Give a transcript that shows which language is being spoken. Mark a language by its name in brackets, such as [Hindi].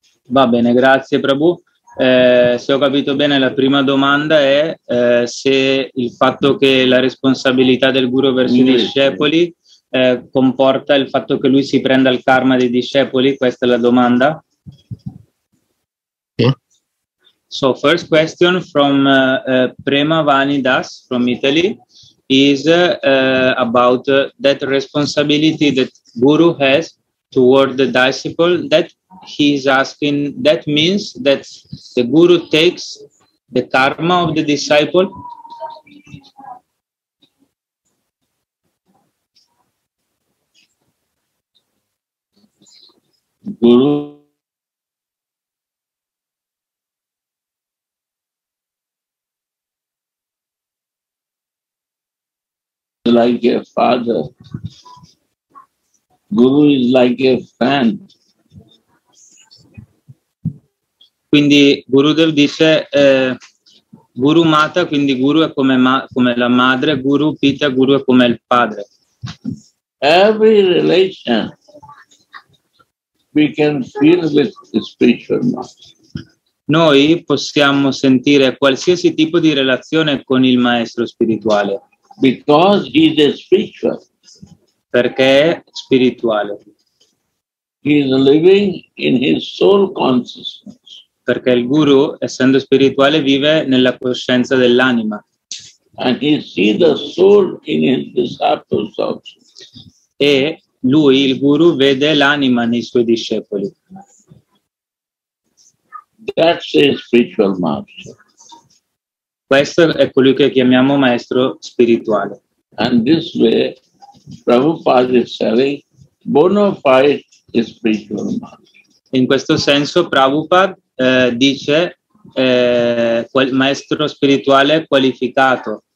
[Italian] Va bene, grazie Prabhu. Se ho capito bene, la prima domanda è se il fatto che la responsabilità del guru verso i discepoli comporta il fatto che lui si prenda il karma dei discepoli. Questa è la domanda. Sì. [English] So, first question from Prema Vani Das from Italy is about that responsibility that guru has toward the disciple, that he's asking, that means that the guru takes the karma of the disciple? Guru. Like a father. Guru is like a friend. [Italian] Quindi Gurudev dice Guru Mata, quindi Guru è come, come la madre, Guru Pita, Guru è come il padre. [English] Every relation we can feel with the spiritual master. [Italian] Noi possiamo sentire qualsiasi tipo di relazione con il maestro spirituale. [English] Because he is spiritual. [Italian] Perché è spirituale. [English] He is living in his soul consciousness. [Italian] Perché il guru, essendo spirituale, vive nella coscienza dell'anima. [English] And he sees the soul in his disciples also. [Italian] E lui, il guru, vede l'anima nei suoi discepoli. [English] That's a spiritual master. [Italian] Questo è colui che chiamiamo maestro spirituale. [English] And this way, Prabhupada is saying, bona fide spiritual master. [Italian] In questo senso, Prabhupada dice quel maestro spirituale qualificato.